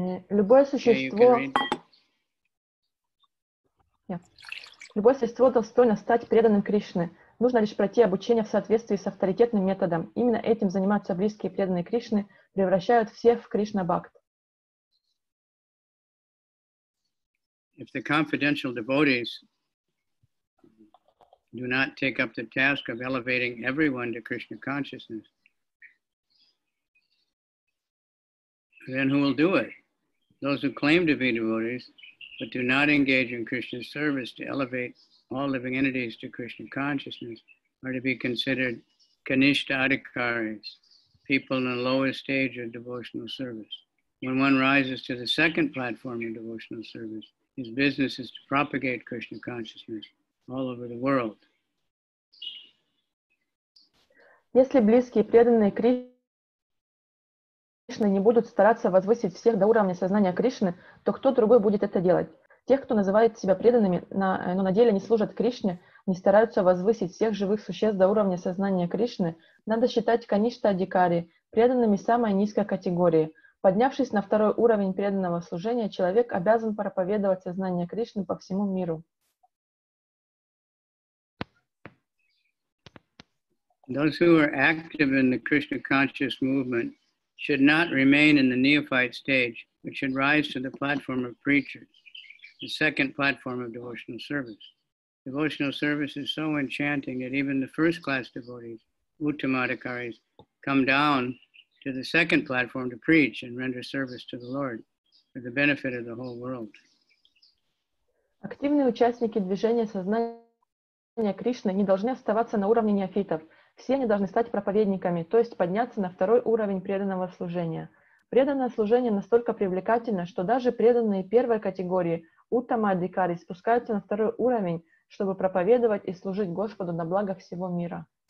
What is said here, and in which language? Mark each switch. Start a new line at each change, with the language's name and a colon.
Russian: Любое существо достойно стать преданным Кришне. Нужно лишь пройти обучение в соответствии с авторитетным методом. Именно этим занимаются близкие преданные Кришны, превращают всех в Кришна бхакт.
English: If the confidential devotees do not take up the task of elevating everyone to Krishna consciousness, then who will do it? Those who claim to be devotees, but do not engage in Krishna's service to elevate all living entities to Krishna consciousness, are to be considered kanishta adhikaris, people in the lowest stage of devotional service. When one rises to the second platform in devotional service, his business is to propagate Krishna consciousness all over the world.
Russian: Если близкие преданные Кришны не будут стараться возвысить всех до уровня сознания Кришны, то кто другой будет это делать? Тех, кто называет себя преданными, но на деле не служат Кришне, не стараются возвысить всех живых существ до уровня сознания Кришны, надо считать каништа адикари, преданными самой низкой категории. Поднявшись на второй уровень преданного служения, человек обязан проповедовать сознание Кришны по всему миру.
English: Those who are active in the Krishna conscious movement should not remain in the neophyte stage, but should rise to the platform of preachers, the second platform of devotional service. Devotional service is so enchanting that even the first class devotees, uttamadhikaris, come down to the second platform to preach and render service to the Lord for the benefit of the whole world.
Russian: Активные участники движения сознания Кришны не должны оставаться на уровне неофитов. Все они должны стать проповедниками, то есть подняться на второй уровень преданного служения. Преданное служение настолько привлекательно, что даже преданные первой категории уттама-адхикари спускаются на второй уровень, чтобы проповедовать и служить Господу на благо всего мира.